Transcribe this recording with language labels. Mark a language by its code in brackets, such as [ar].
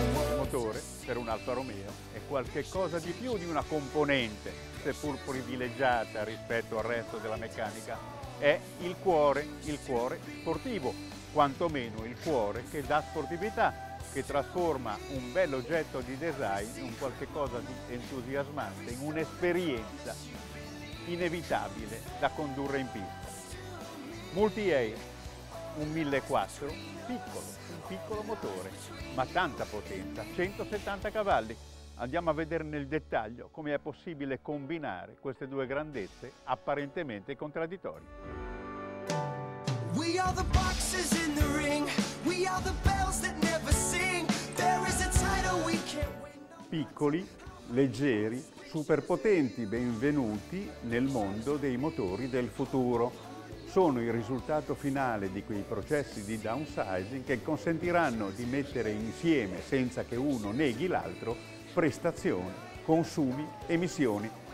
[it] Il motore per un Alfa Romeo è qualcosa di più di una componente, seppur privilegiata rispetto al resto della meccanica, è il cuore sportivo, quantomeno il cuore che dà sportività, che trasforma un bel oggetto di design in qualcosa di entusiasmante, in un'esperienza inevitabile da condurre in pista. Multi-air. Un 1.4, un piccolo motore, ma tanta potenza, 170 cavalli. Andiamo a vedere nel dettaglio come è possibile combinare queste due grandezze apparentemente contraddittorie. [en] We are the boxes in the ring, we are the bells that never sing, there is a title we can win. [it] Piccoli, leggeri, super potenti, benvenuti nel mondo dei motori del futuro. Sono il risultato finale di quei processi di downsizing che consentiranno di mettere insieme, senza che uno neghi l'altro, prestazioni, consumi, emissioni.